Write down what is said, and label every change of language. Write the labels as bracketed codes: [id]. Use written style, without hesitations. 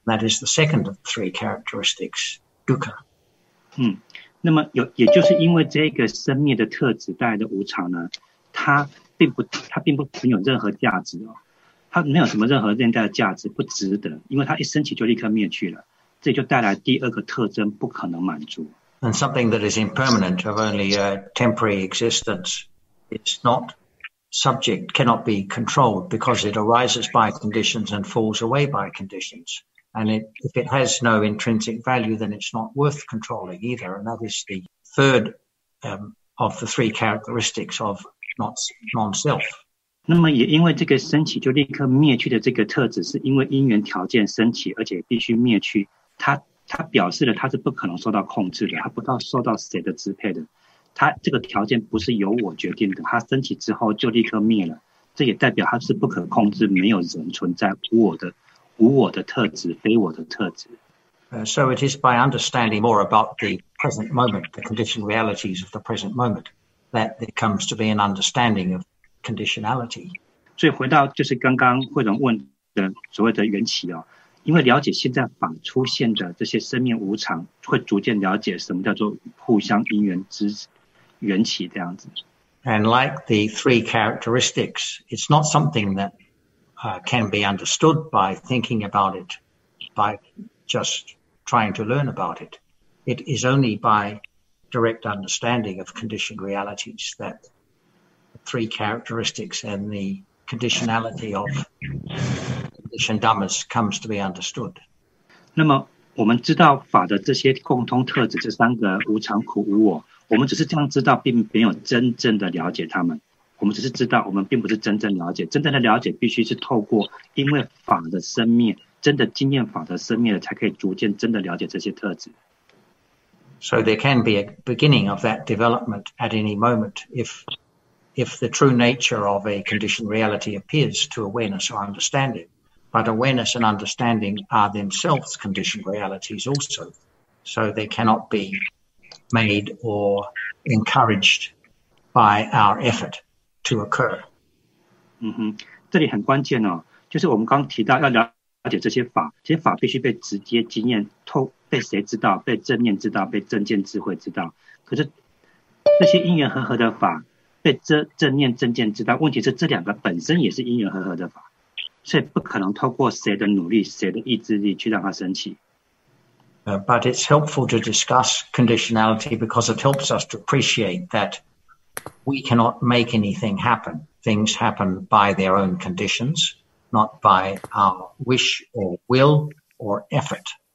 [en] That is the second of three characteristics, dukkha. [zh] 那么也就是因为这个生灭的特质带来的无常呢，它并不存有任何价值哦，它没有什么任何内在的价值，不值得，因为它一升起就立刻灭去了。这就带来第二个特征，不可能满足。 [en] And something that is impermanent, of only a temporary existence, is not subject, cannot be controlled, because it arises by conditions and falls away by conditions. And if it has no intrinsic value, then it's not worth controlling either. And that is the third, of the three characteristics of non-self. [zh] 那么也因为这个升起就立刻灭去的这个特质，是因为因缘条件升起，而且必须灭去。他表示了他是不可能受到控制的，他不知道受到谁的支配的，他这个条件不是由我决定的，他升起之后就立刻灭了，这也代表他是不可控制，没有人存在，无我的特质，非我的特质。 [en] So it is by understanding more about the present moment, the conditioned realities of the present moment, that there comes to be an understanding of conditionality. [zh] 所以回到就是刚刚慧荣问的所谓的缘起哦，因为了解现在法出现的这些生命无常，会逐渐了解什么叫做互相因缘之缘起这样子。 [en] And like the three characteristics, it's not something that can be understood by thinking about it, by just trying to learn about it. It is only by direct understanding of conditioned realities that the three characteristics and the conditionality of and dhammas comes to be understood. [zh] 那么我们知道法的这些共通特质，这三个无常、苦、无我，我们只是这样知道，并没有真正的了解他们。我们只是知道，我们并不是真正了解。真正的了解必须是透过因为法的生灭，真的经验法的生灭了，才可以逐渐真的了解这些特质。 [en] So there can be a beginning of that development at any moment if the true nature of a conditioned reality appears to awareness or understanding. But awareness and understanding are themselves conditioned realities also. So they cannot be made or encouraged by our effort to occur. [zh] 这里很关键哦，就是我们刚提到要了解这些法，这些法必须被直接经验，被谁知道？被正念知道，被正见智慧知道。可是这些因缘和合的法，被正念正见知道，问题是这两个本身也是因缘和合的法。所以不可能透过谁的努力、谁的意志力去让它升起。 [en] But it's helpful to discuss conditionality because it helps us to appreciate that we cannot make anything happen. Things happen by their own conditions, not by our wish or will or effort.